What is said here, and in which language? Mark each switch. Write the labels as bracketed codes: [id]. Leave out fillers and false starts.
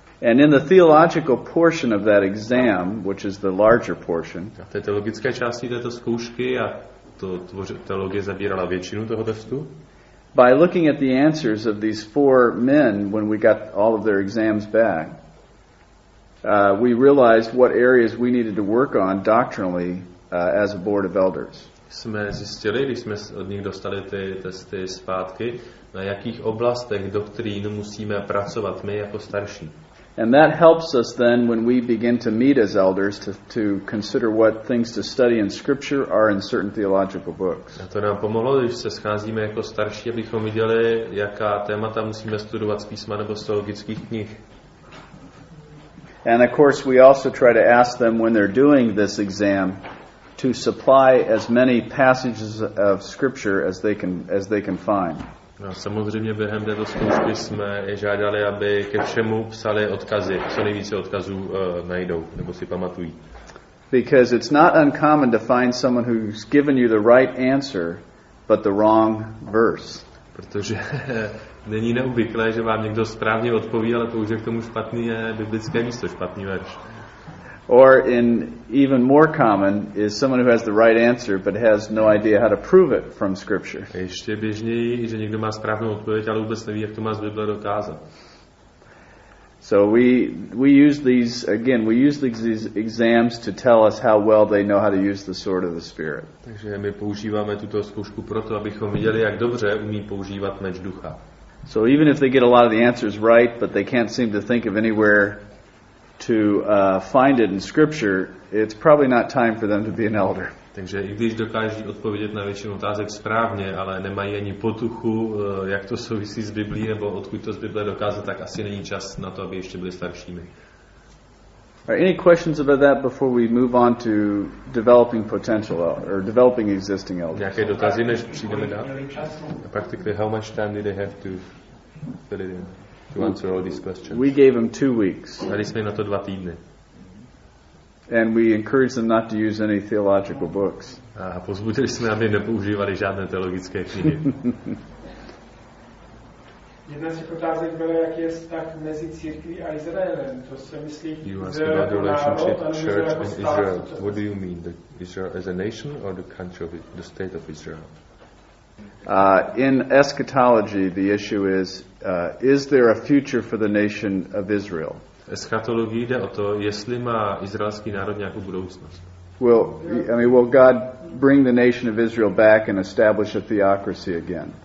[en] And in the theological portion of that exam, which is the larger portion, [cs] a té teologické části této zkoušky, a teologie zabírala většinu toho testu, [en] by looking at the answers of these four men when we got all of their exams back, we realized what areas we needed to work on doctrinally as a board of elders. [cs] Jsme zjistili, když jsme od nich dostali ty testy zpátky, na jakých oblastech doktrín musíme pracovat my jako starší. [en] And that helps us then when we begin to meet as elders to consider what things to study in scripture are in certain theological books. [cs] A to nám pomohlo, když se scházíme jako starší, abychom viděli, jaká témata musíme studovat z písma nebo z teologických knih. [en] And of course we also try to ask them when they're doing this exam to supply as many passages of scripture as they can find. [cs] No, samozřejmě během této zkoušky jsme žádali, aby ke všemu psali odkazy, co nejvíce odkazů najdou nebo si pamatují. [en] Because it's not uncommon to find someone who's given you the right answer, but the wrong verse. [cs] Protože není neobvyklé, že vám někdo správně odpoví, ale použije k tomu špatný biblické místo, špatný verš. [en] Or in even more common is someone who has the right answer but has no idea how to prove it from scripture. [cs] Ještě běžněji, že někdo má správnou odpověď, ale vůbec neví, jak to má z Bible dokázat. [en] So we use these exams to tell us how well they know how to use the sword of the spirit. [cs] Takže my používáme tuto zkoušku proto, abychom viděli, jak dobře umí používat meč ducha. [en] So even if they get a lot of the answers right but they can't seem to think of anywhere to find it in scripture, it's probably not time for them to be an elder. [cs] Takže i když dokáží odpovědět na většinu otázek správně, ale nemají ani potuchu, jak to souvisí s Biblí nebo odkud to z Bible dokáže, tak asi není čas na to, aby ještě byli staršími. [en] Are any questions about that before we move on to developing potential or developing existing elders? [cs] Nějaké dotazy, než přijdeme dál? [en] Practically, how much time did they have to fill it in to answer all these questions? We gave them 2 weeks. [cs] Dali jsme na to 2 týdny. [en] And we encouraged them not to use any theological books. [cs] A pozbudili jsme, aby nepoužívali žádné teologické knihy. Jedna z těch otázek byla, jak je vztah mezi církví a Izraelem. To se myslí, že je to národ, ale myslí jako stát. [en] What do you mean? The Israel as a nation or the country of the state of Israel? In eschatology, the issue is there a future for the nation of Israel? [cs] Eschatologii jde o to, jestli má izraelský národ nějakou budoucnost. [en] Will, I mean, will God bring the nation of Israel back and establish a theocracy again?